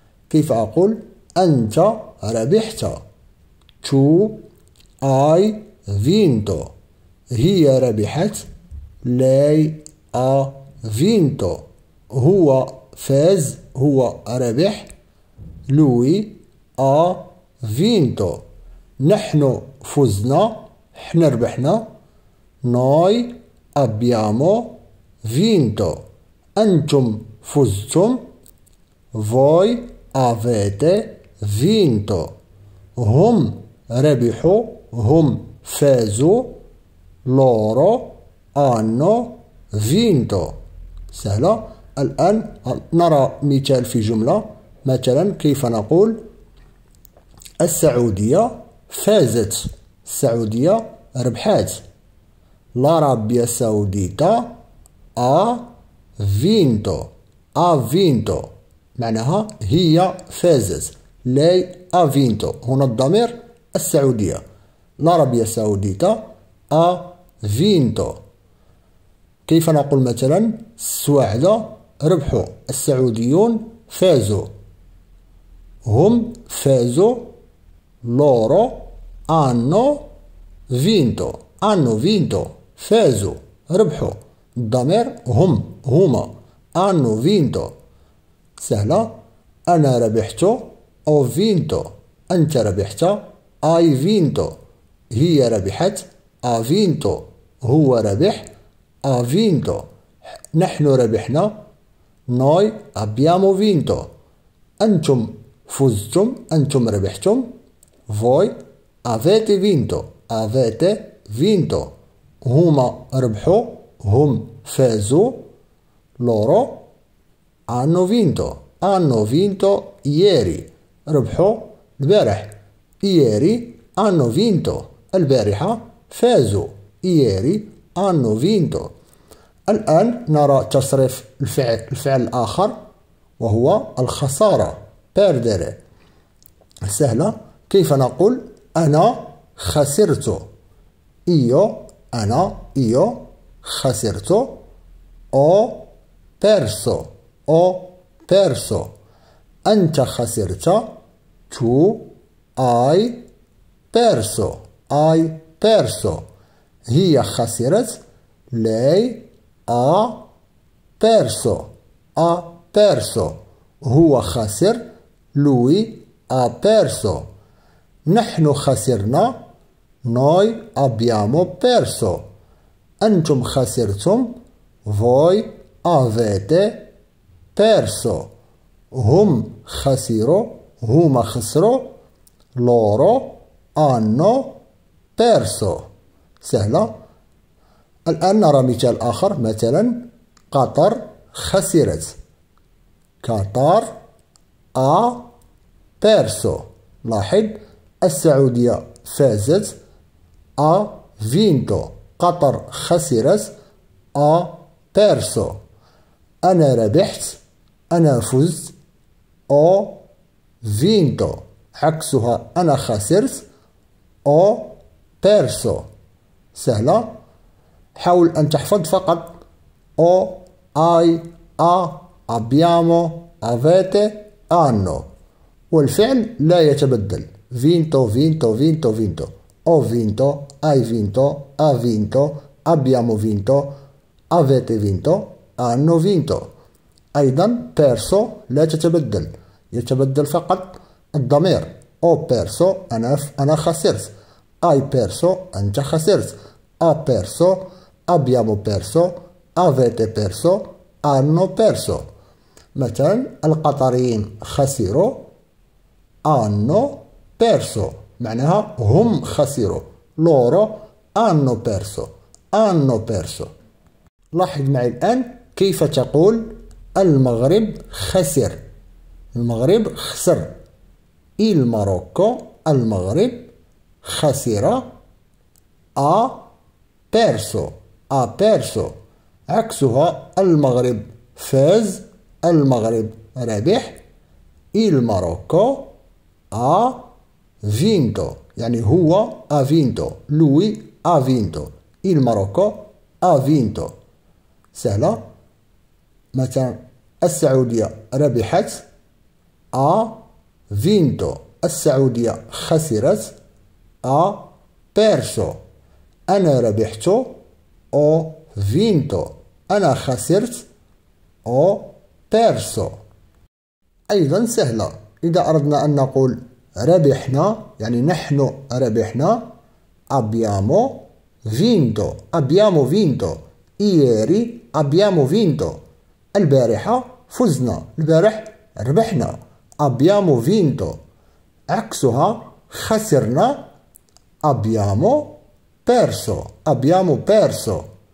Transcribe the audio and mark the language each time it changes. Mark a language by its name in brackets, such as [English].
[Arabic] كيف أقول أنت ربحت؟ [Italian] tu hai vinto، [Arabic] هي ربحت. [Italian] lei ha vinto، [Arabic] هو فاز، هو ربح. [Italian] lui ha vinto، [Arabic] نحن فزنا، احنا ربحنا. [Italian] noi abbiamo vinto، [Arabic] انتم فزتم. [Italian] voi avete vinto، [Arabic] هم ربحوا، هم فازوا. [Italian] loro hanno vinto. [Arabic] سهلة. الآن نرى مثال في جملة. مثلا كيف نقول السعودية فازت، السعودية ربحت. [Italian] l'Arabia Saudita ha vinto، ha vinto [Arabic] معناها هي فازت. [Italian] lei ha vinto، [Arabic] هنا الضمير السعودية. [Italian] l'Arabia Saudita ha vinto. [Arabic] كيف نقول مثلا السعداء ربحوا، السعوديون فازوا. هم فازوا، [Italian] loro hanno vinto، hanno vinto، [Arabic] فازوا، ربحوا. الضمير هم، هما، [Italian] hanno vinto. [Arabic] سهلة. أنا ربحت، [Italian] ho vinto. [Arabic] أنت ربحت، [Italian] hai vinto. [Arabic] هي ربحت، [Italian] ha vinto. [Arabic] هو ربح، ha vinto. نحن ربحنا، [Italian] noi abbiamo vinto. [Arabic] أنتم فزتم، أنتم ربحتم. [Italian] voi avete vinto، avete vinto. [Arabic] هما ربحوا، هم فازوا. [Italian] loro hanno vinto، hanno vinto ieri، [Arabic] ربحوا البارح. [Italian] ieri hanno vinto، [Arabic] البارحة فازوا. [Italian] ieri hanno vinto. [Arabic] الآن نرى تصريف الفعل الآخر وهو الخسارة perdere. سهلة. كيف نقول أنا خسرت؟ io، أنا، io خسرت. [Italian] ho perso، ho perso، [Arabic] أنت خسرت. [Italian] tu hai perso، hai perso، [Arabic] هي خسرت. [Italian] lei ha perso، ha perso، [Arabic] هو خسر. [Italian] lui ha perso، [Arabic] نحن خسرنا. [Italian] noi abbiamo perso، [Arabic] أنتم خسرتم. [Italian] voi avete perso، [Arabic] هم خسروا، هما خسروا. [Italian] loro hanno perso. [Arabic] سهلة. الآن نرى مثال آخر. مثلا قطر خسرت، قطر [Italian] a perso. [Arabic] لاحظ السعودية فازت، [Italian] a vinto، [Arabic] قطر خسرت، [Italian] a perso، [Arabic] أنا ربحت، أنا فزت. [Italian] o vinto [Arabic] عكسها أنا خسرت، [Italian] o perso. [Arabic] سهلة. حاول أن تحفظ فقط [Italian] o i a abbiamo avete hanno، [Arabic] والفعل لا يتبدل. [Italian] vinto vinto vinto vinto، o vinto، hai vinto، ha vinto، abbiamo vinto، avete vinto، hanno vinto. [Arabic] أيضا perso لا تتبدل، يتبدل فقط الضمير. [Italian] o perso [Arabic] أنا خسرت، [Italian] hai perso [Arabic] أنت خسرت، [Italian] ha perso abbiamo perso، avete perso hanno perso. [Arabic] مثلا القطريين خسروا، [Italian] hanno perso, [Arabic] معناها هم خسروا. [Italian] loro hanno perso, hanno perso. [Arabic] لاحظ معي الآن كيف تقول المغرب خسر. المغرب خسر. il Marocco, المغرب خسر. [Italian] ha perso, ha perso. [Arabic] عكسها المغرب فاز, المغرب ربح. [Italian] il Marocco ha vinto, [Arabic] يعني هو [Italian] ha vinto, lui ha vinto. il Marocco ha vinto. [Arabic] سهلة. مثلا السعودية ربحت. [Italian] ha vinto, [Arabic] السعودية خسرت. [Italian] ha perso, [Arabic] أنا ربحت. [Italian] ho vinto, [Arabic] أنا خسرت. [Italian] ho perso. [Arabic] أيضا سهلة. إذا أردنا أن نقول ربحنا, يعني نحن ربحنا. [Italian] abbiamo vinto, abbiamo vinto. ieri abbiamo vinto, [Arabic] البارحة فزنا, البارح ربحنا. [Italian] abbiamo vinto. [Arabic] عكسها خسرنا. [Italian] abbiamo perso, abbiamo perso.